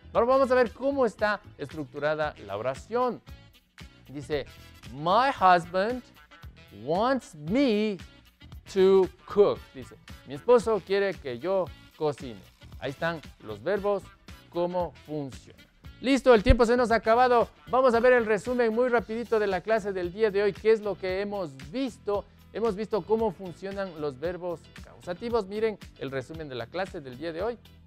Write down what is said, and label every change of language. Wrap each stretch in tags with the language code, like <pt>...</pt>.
<es>Pero vamos a ver cómo está estructurada la oración. Dice,</es> <en>my husband wants me to cook.</en> <es>Dice, mi esposo quiere que yo cocine. Ahí están los verbos, cómo funciona. Listo, el tiempo se nos ha acabado. Vamos a ver el resumen muy rapidito de la clase del día de hoy. ¿Qué es lo que hemos visto? Hemos visto cómo funcionan los verbos causativos. Miren el resumen de la clase del día de hoy.</es>